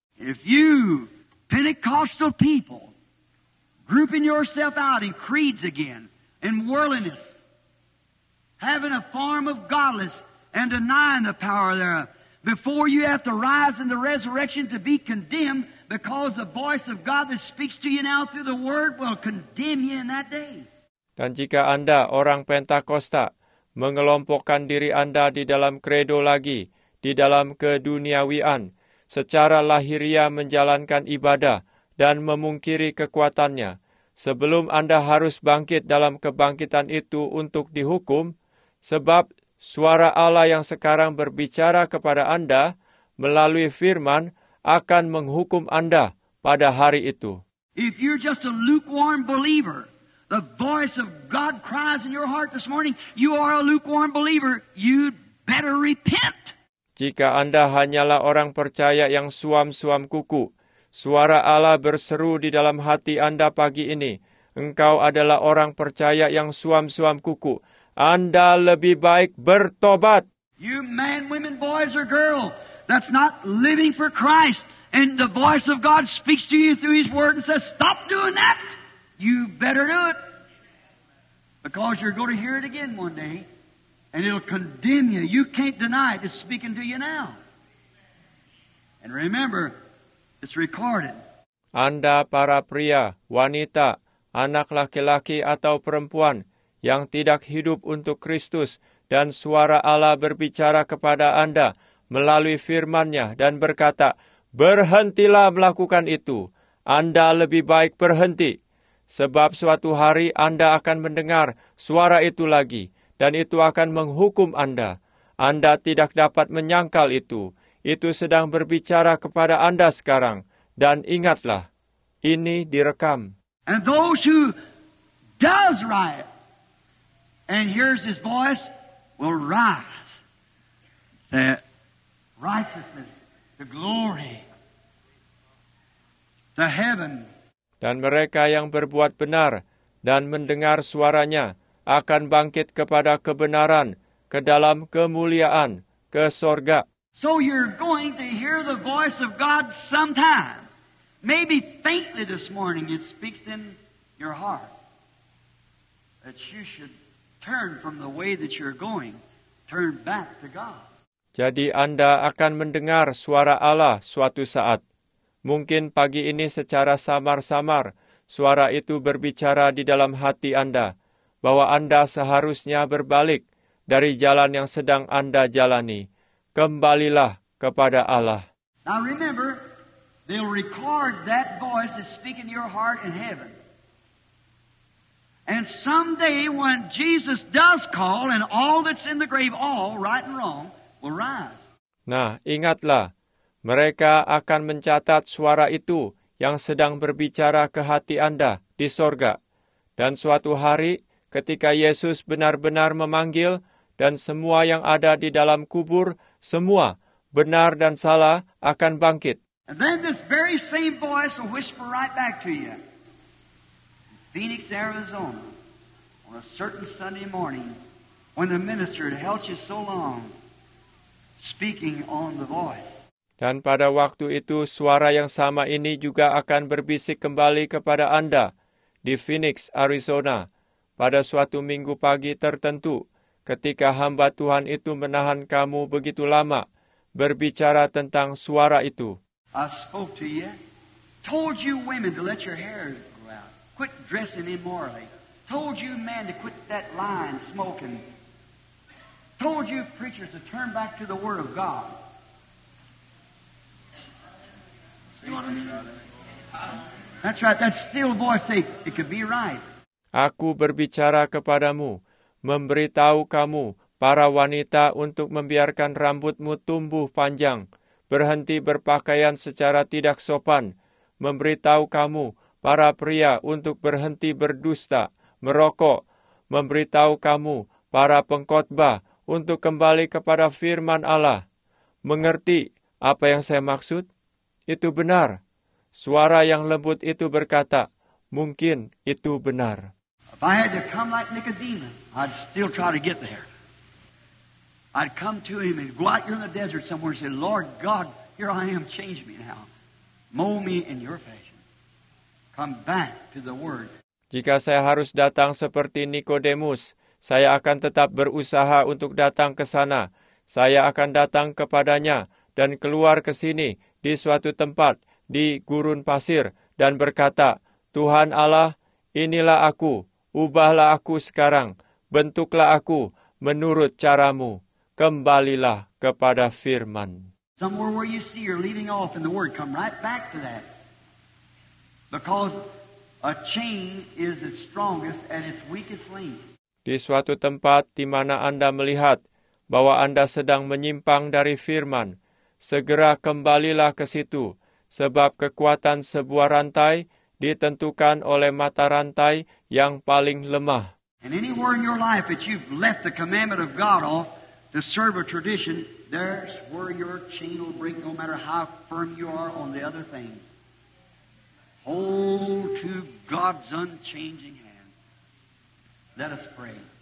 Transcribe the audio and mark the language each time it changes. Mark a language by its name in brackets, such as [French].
[English] If you Pentecostal people grouping yourself out in creeds again in worldliness, having a form of godliness and denying the power thereof, before you have to rise in the resurrection to be condemned, because the voice of God that speaks to you now through the word will condemn you in that day. [Indonesian] Dan jika Anda orang Pentakosta mengelompokkan diri Anda di dalam kredo lagi, di dalam keduniawian, secara lahiriah menjalankan ibadah dan memungkiri kekuatannya, sebelum Anda harus bangkit dalam kebangkitan itu untuk dihukum, sebab suara Allah yang sekarang berbicara kepada Anda melalui firman akan menghukum Anda pada hari itu. [English] If you're just a lukewarm believer, the voice of God cries in your heart this morning, you are a lukewarm believer, you'd better repent. [Indonesian] Jika Anda hanyalah orang percaya yang suam-suam kuku, suara Allah berseru di dalam hati Anda pagi ini, engkau adalah orang percaya yang suam-suam kuku, Anda lebih baik bertobat. [English] You man, women, boys or girl, that's not living for Christ, and the voice of God speaks to you through His word and says, stop doing that. You better do it, because you're going to hear it again one day, and it'll condemn you. You can't deny it. It's speaking to you now. And remember, it's recorded. [Indonesian] Anda para pria, wanita, anak laki-laki atau perempuan yang tidak hidup untuk Kristus, dan suara Allah berbicara kepada Anda melalui firman-Nya dan berkata, berhentilah melakukan itu. Anda lebih baik berhenti. Sebab suatu hari Anda akan mendengar suara itu lagi, dan itu akan menghukum Anda. Anda tidak dapat menyangkal itu. Itu sedang berbicara kepada Anda sekarang. Dan ingatlah, ini direkam. [English] And those who does riot and hears His voice will rise. The righteousness, the glory, the heaven. [Indonesian] Dan mereka yang berbuat benar dan mendengar suaranya akan bangkit kepada kebenaran, ke dalam kemuliaan, ke sorga. [English] So you're going to hear the voice of God sometime. Maybe faintly this morning it speaks in your heart that you should turn from the way that you're going, turn back to God. [Indonesian] Jadi Anda akan mendengar suara Allah suatu saat. Mungkin pagi ini secara samar-samar, suara itu berbicara di dalam hati Anda, bahwa Anda seharusnya berbalik dari jalan yang sedang Anda jalani. Kembalilah kepada Allah. [English] Now remember, they'll record that voice that's speaking to your heart in heaven. And someday when Jesus does call and all that's in the grave, all right and wrong, will rise. [Indonesian] Nah, ingatlah, mereka akan mencatat suara itu yang sedang berbicara ke hati Anda di sorga. Dan suatu hari, ketika Yesus benar-benar memanggil, dan semua yang ada di dalam kubur, semua, benar dan salah, akan bangkit. [English] And then this very same voice will whisper right back to you. Phoenix, Arizona, on a certain Sunday morning, when the minister had held you so long, speaking on the voice. [Indonesian] Dan pada waktu itu, suara yang sama ini juga akan berbisik kembali kepada Anda di Phoenix, Arizona, pada suatu minggu pagi tertentu, ketika hamba Tuhan itu menahan kamu begitu lama, berbicara tentang suara itu. [English] I spoke to you, told you women to let your hair grow out, quit dressing immorally, told you men to quit that lying, smoking, told you preachers to turn back to the Word of God. That's right. That still voice, it could be right. [Indonesian] Aku berbicara kepadamu, memberitahu kamu, para wanita untuk membiarkan rambutmu tumbuh panjang, berhenti berpakaian secara tidak sopan, memberitahu kamu, para pria untuk berhenti berdusta, merokok, memberitahu kamu, para pengkhotbah untuk kembali kepada firman Allah. Mengerti apa yang saya maksud? Itu benar. Suara yang lembut itu berkata, mungkin itu benar. [English] If I had to come like Nicodemus, I'd still try to get there. I'd come to him and go out here in the desert somewhere and say, Lord God, here I am, change me now. Mold me in your fashion. Come back to the Word. [Indonesian] Jika saya harus datang seperti Nicodemus, saya akan tetap berusaha untuk datang ke sana. Saya akan datang kepadanya dan keluar ke sini, di suatu tempat, di gurun pasir, dan berkata, Tuhan Allah, inilah aku, ubahlah aku sekarang, bentuklah aku menurut caramu, kembalilah kepada firman. [English] Somewhere where you see you're leaving off in the Word, come right back to that. Because a chain is its strongest at its weakest link. [Indonesian] Di suatu tempat di mana Anda melihat bahwa Anda sedang menyimpang dari firman, segera kembalilah ke situ, sebab kekuatan sebuah rantai ditentukan oleh mata rantai yang paling lemah. [English] And anywhere in your life that you've left the commandment of God off to serve a tradition, there's where your chain will break, no matter how firm you are on the other things. Hold to God's unchanging hand. Let us pray.